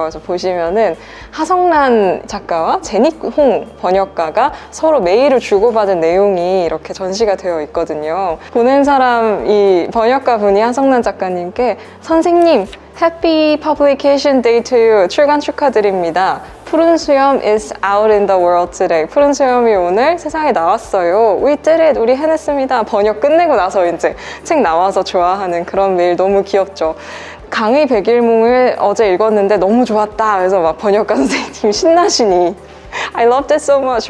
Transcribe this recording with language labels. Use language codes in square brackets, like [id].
[ko] 그래서 보시면은 하성란 작가와 제닉홍 번역가가 서로 메일을 주고받은 내용이 이렇게 전시가 되어 있거든요. 보낸 사람 이 번역가 분이 하성란 작가님께 선생님 [en] Happy Publication Day to you. [ko] 출간 축하드립니다. [en] 푸른 수염 is out in the world today. [ko] 푸른 수염이 오늘 세상에 나왔어요. [en] We did it. [ko] 우리 해냈습니다. 번역 끝내고 나서 이제 책 나와서 좋아하는 그런 메일 너무 귀엽죠. 강의 백일몽을 어제 읽었는데 너무 좋았다. 그래서 막 번역가 선생님 신나시니 [en] I loved it so much.